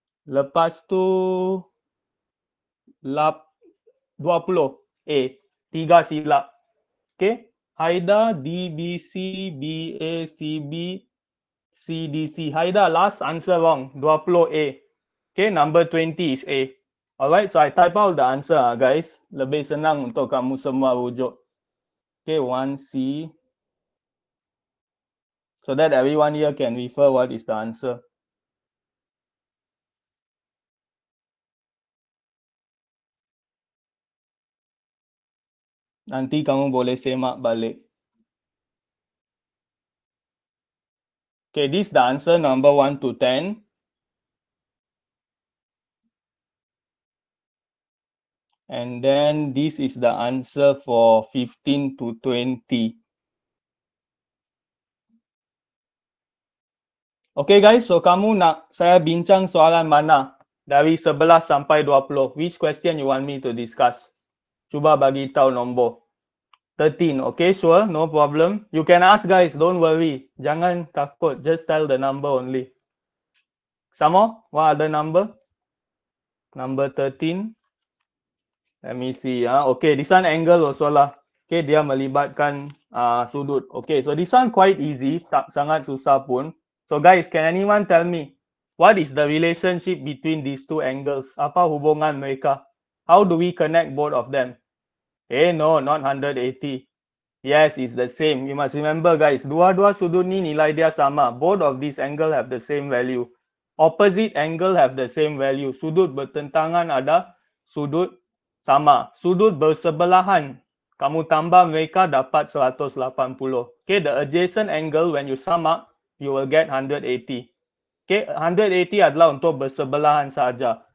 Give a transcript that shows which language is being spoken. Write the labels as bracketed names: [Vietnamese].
[Malay] Lepas tu 20. A. 3 silap. Okay. Haida, D, B, C, B, A, C, B. C, D, C. [English] Haida, last answer wrong. 20 A. Okay, number 20 is A. Alright, so I type out the answer, guys. [Malay] Lebih senang untuk kamu semua rujuk. [English] Okay, 1 C. So that everyone here can refer what is the answer. [Malay] Nanti kamu boleh semak balik. [English] Okay, this is the answer number 1 to 10. And then this is the answer for 15 to 20. Okay guys, so [Malay] kamu nak saya bincang soalan mana dari 11 sampai 20? [English] Which question you want me to discuss? [Malay] Cuba bagi tahu nombor. [English] 13, okay, sure, no problem. You can ask guys, don't worry. [Malay] Jangan takut, [English] just tell the number only. [Malay] Sama, [English] what other number? Number 13. Let me see, okay, this one angle also lah. Okay, [Malay] dia melibatkan sudut. [English] Okay, so this one quite easy, [Malay] tak sangat susah pun. [English] So guys, can anyone tell me, what is the relationship between these two angles? [Malay] Apa hubungan mereka? [English] How do we connect both of them? Eh, no, not 180. Yes, it's the same. You must remember, guys, [Malay] dua-dua sudut ni nilai dia sama. [English] Both of these angle have the same value. Opposite angle have the same value. [Malay] Sudut bertentangan ada sudut sama. Sudut bersebelahan, kamu tambah mereka dapat 180. [English] Okay, the adjacent angle, when you sum up, you will get 180. [Malay] Okay, 180 adalah untuk bersebelahan sahaja.